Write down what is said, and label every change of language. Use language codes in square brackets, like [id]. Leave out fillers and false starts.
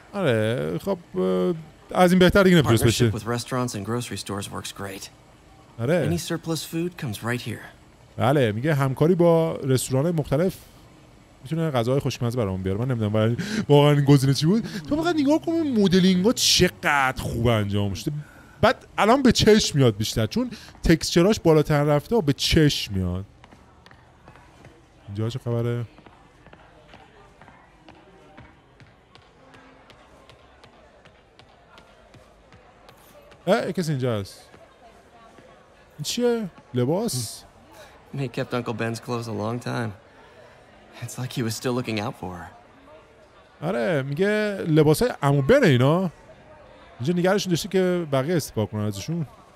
[fa] آره خب از این بهتر دیگه نمیتونست بشه. [en] With restaurants and grocery stores works great. [fa] آره. [en] Any surplus food comes right here. [fa] بله میگه همکاری با رستوران مختلف میتونه غذاهای خوشمزه برامون بیاره. من نمیدونم ولی واقعا این گزینه چی بود. تو فقط نگاه کن مدلینگ چقدر خوب انجام شده. بعد الان به چشم میاد بیشتر چون تکسچرش بالاتر رفته و به چشم میاد. اینجا چه خبره؟ ای کسی اینجا هست؟ این چیه؟ لباس؟ [en] May kept Uncle Ben's clothes a long time. It's like he was still looking out for her. [fa] آره میگه لباسای عمو بن اینا اینجا نگارشون داشته که بقیه استفاده کنن ازشون.